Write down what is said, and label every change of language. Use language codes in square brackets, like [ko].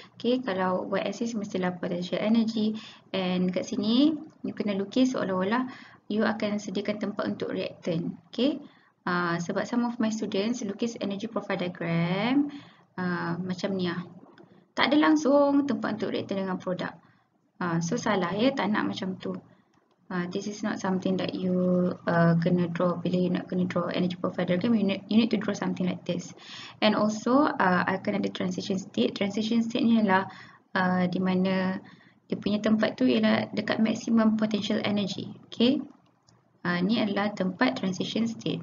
[ms] Okay, kalau y-axis mestilah potential energy, and kat sini you kena lukis seolah-olah you akan sediakan tempat untuk reactant. [en] Okay, sebab some of my students lukis energy profile diagram [ms] macam ni lah. Tak ada langsung tempat untuk reaktan dengan produk. So, salah ya. Tak nak macam tu. [en] This is not something that you kena draw. [ms] Bila you nak kena [en] draw energy profile diagram, you need to draw something like this. And also, [ms] akan ada [en] transition state. [ms] Transition state ni ialah di mana dia punya tempat tu ialah dekat maximum potential energy. Okay. Ni adalah tempat transition state.